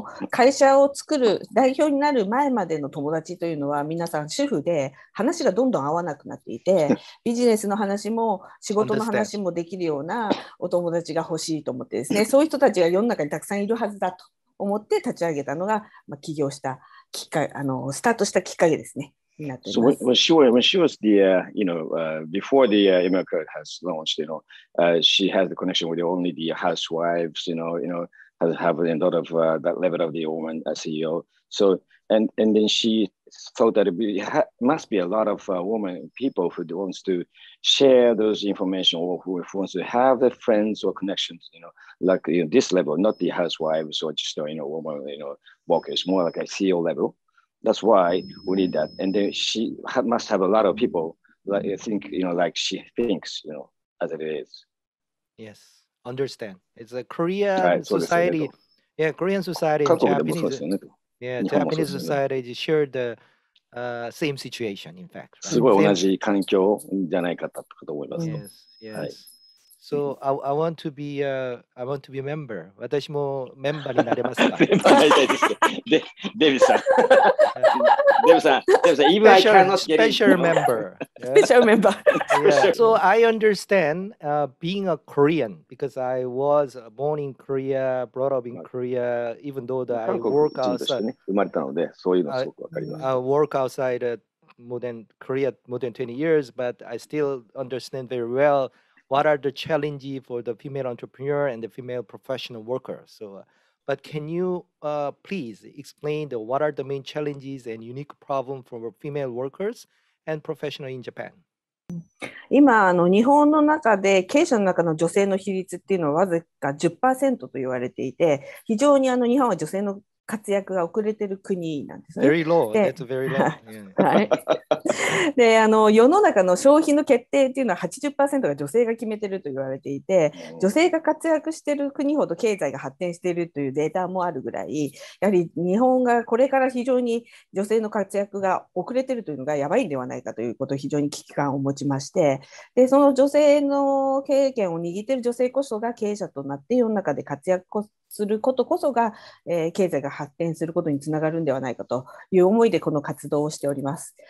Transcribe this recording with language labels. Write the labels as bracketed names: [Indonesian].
[Japanese] 会社を作る代表になる前までの友達というのは皆さん主婦で話がどんどん合わなくなっていてビジネスの話も仕事の話もできるようなお友達が欲しいと思ってですねそういう人たちが世の中にたくさんいるはずだと思って立ち上げたのが、まあ、起業したきっかけスタートしたきっかけですね [English] So when she was the, before the Emerald Club has launched, she has the connection with only the housewives, have a lot of that level of the woman CEO. So, and then she thought that must be a lot of women, people who wants to share those information or who wants to have the friends or connections, this level, not the housewives or just, woman, workers, more like a CEO level. That's why we need that. And then she must have a lot of people like, think, like she thinks, as it is. Yes, understand. It's a Korean society. Yeah, Korean society. Japanese society shared the same situation, in fact. [Japanese] すごい同じ環境じゃないかと思います。 [English] Yes, yes. So I want to be a I want to be a member. [Japanese] 私もメンバーになれますか？メンバーになりたいです。で、デビさん。デビさん、デビさん、even [English] special, I cannot get special member. Special member. Yeah. So I understand being a Korean because I was born in Korea, brought up in Korea. Even though that I work outside, [Japanese] 生まれたのでそういうのすごくわかります。 [English] I work outside more than Korea more than 20 years, but I still understand very well. What are the challenges for the female entrepreneur and the female professional worker? So, but can you please explain the, what are the main challenges and unique problems for female workers and professionals in Japan? [Japanese] 今あの日本の中で経営者の中の女性の比率っていうのはわずか 10% と言われていて、非常にあの日本は女性の活躍が遅れている国なんですね。 [English] Very low. That's very low. [Japanese] であの世の中の消費の決定というのは 80% が女性が決めていると言われていて、女性が活躍している国ほど経済が発展しているというデータもあるぐらい、やはり日本がこれから非常に女性の活躍が遅れているというのがやばいんではないかということを非常に危機感を持ちまして、でその女性の経験を握っている女性こそが経営者となって世の中で活躍することこそが、経済が発展することにつながるのではないかという思いでこの活動をしております。